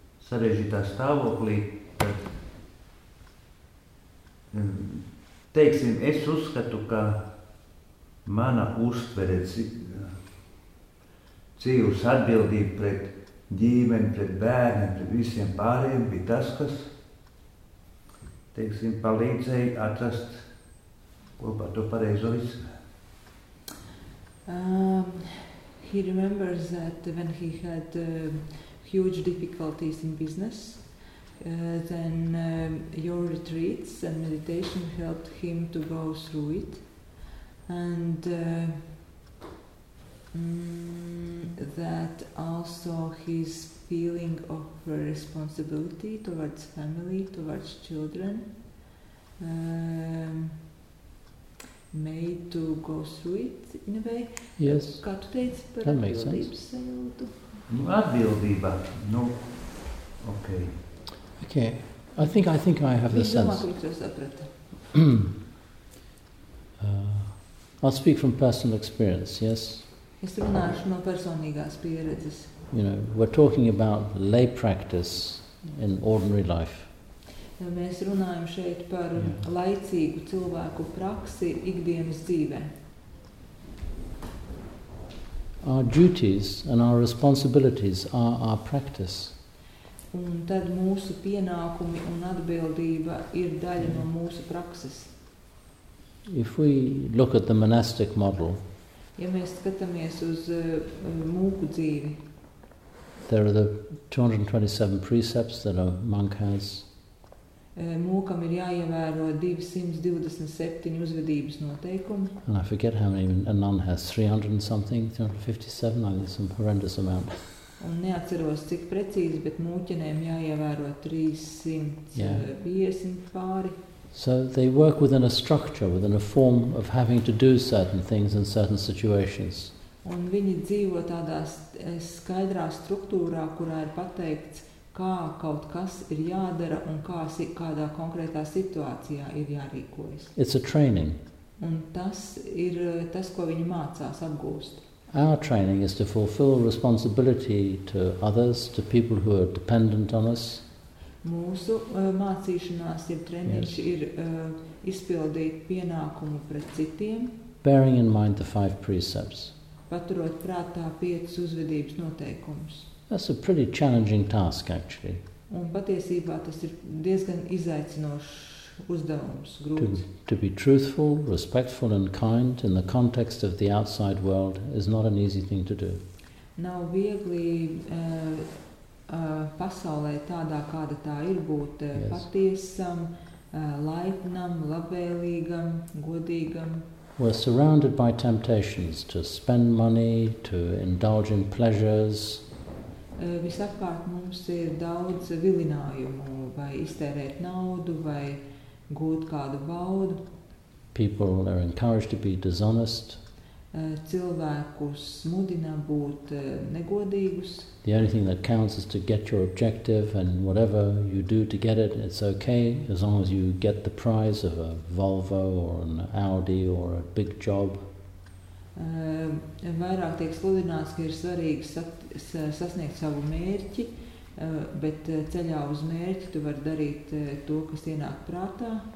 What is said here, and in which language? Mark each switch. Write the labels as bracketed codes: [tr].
[lv] sarežģītā stāvoklī, tad, teiksim, es uzskatu, ka mana uztvere dzīves atbildība pret ģimeni, pret bērni, pret visiem pārējiem bija tas, kas, teiksim, palīdzēja atrast kopā to pareizo visu. [en] He remembers that when he had huge difficulties in business, then your retreats and meditation helped him to go through it. And that also his feeling of responsibility towards family, towards children, made to go through it in a way. Yes. [lv] Kā tu teici par atbildības sajūtu? Nu, atbildība. Nu, ok. [en] Ok. I think I have the sense. [lv] Viņš domā, ko jūs saprata. [en] I'll speak from personal experience, yes? [lv] Es runāšu no personīgās pieredzes. [en] You know, we're talking about lay practice in ordinary life. [lv] Mēs runājam šeit par laicīgu cilvēku praksi ikdienas dzīvē. [en] Our duties and our responsibilities are our practice. [lv] Un tad mūsu pienākumi un atbildība ir daļa no mūsu prakses. [en] If we look at the monastic model, [lv] ja mēs skatāmies uz mūku dzīvi, [en] there are the 227 precepts that a monk has. [lv] Mūkam ir jāievēro 227 uzvedības noteikumi. [en] And I forget how many a nun has, 300 something, 357, some horrendous amount. [lv] Un neatceros, cik precīzi, bet mūķenēm jāievēro 350 pāri. [en] So they work within a structure, within a form of having to do certain things in certain situations. [lv] Un viņi dzīvo tādā skaidrā struktūrā, kurā ir pateikts, kā kaut kas ir jādara un kādā konkrētā situācijā ir jārīkojas. [en] It's a training. [lv] Un tas ir tas, ko viņi mācās apgūst. [en] Our training is to fulfill responsibility to others, to people who are dependent on us. [lv] Mūsu mācīšanās ir treniņš ir izpildīt pienākumu pret citiem. [en] Bearing in mind the five precepts. [lv] Paturot prātā piecas uzvedības noteikumus. [en] That's a pretty challenging task actually. [lv] Un patiesībā tas ir diezgan izaicinošs uzdevums, grūts. [en] To be truthful, respectful and kind in the context of the outside world is not an easy thing to do. [lv] Nav viegli pasaulē tādā, kāda tā ir, būt patiesam, laipnam, labvēlīgam, godīgam. [en] We're surrounded by temptations to spend money, to indulge in pleasures. [lv] Visapkārt mums ir daudz vilinājumu, vai iztērēt naudu, vai gūt kādu baudu. [en] People are encouraged to be dishonest. [lv] Cilvēkus mudina būt negodīgus. [en] The only thing that counts is to get your objective, and whatever you do to get it, it's okay, as long as you get the prize of a Volvo or an Audi or a big job. [lv] Vairāk tiek sludināts, ka ir svarīgi sasniegt savu mērķi, bet ceļā uz mērķi tu vari darīt to, kas ienāk prātā.